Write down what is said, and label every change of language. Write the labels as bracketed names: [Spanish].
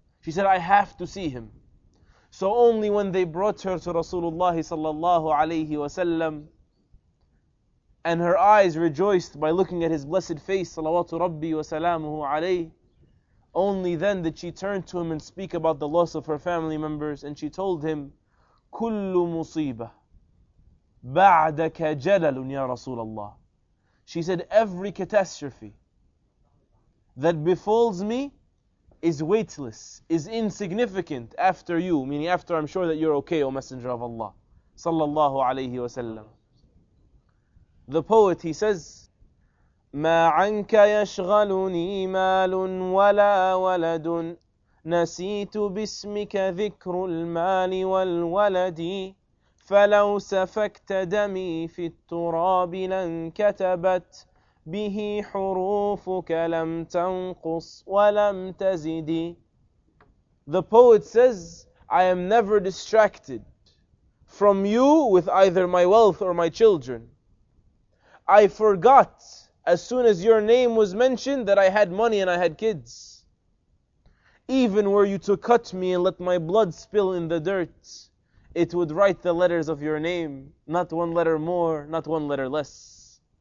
[English] She said, "I have to see him." So only when they brought her to Rasulullah sallallahu alayhi wa sallam, and her eyes rejoiced by looking at his blessed face, salawatu rabbi wa salamuhu alayh, only then did she turn to him and speak about the loss of her family members, and she told him, [Arabic] "Kullu musibah ba'daka jalalun ya Rasulullah." [English] She said, every catastrophe that befalls me is weightless, is insignificant after you, meaning after I'm sure that you're okay, O Messenger of Allah, sallallahu alayhi wa sallam. The poet, he says, [Arabic] مَا عَنْكَ يَشْغَلُنِي مَالٌ وَلَا وَلَدٌ نَسِيتُ بِاسْمِكَ ذِكْرُ الْمَالِ وَالْوَلَدِ فَلَوْ سَفَكْتَ دَمِي فِي التُّرَابِ لَنْ كَتَبَتْ بِهِ حُرُوفُكَ لَمْ تَنْقُصْ وَلَمْ تَزِدِ. [English] The poet says, I am never distracted from you with either my wealth or my children. I forgot as soon as your name was mentioned that I had money and I had kids. Even were you to cut me and let my blood spill in the dirt, it would write the letters of your name, not one letter more, not one letter less.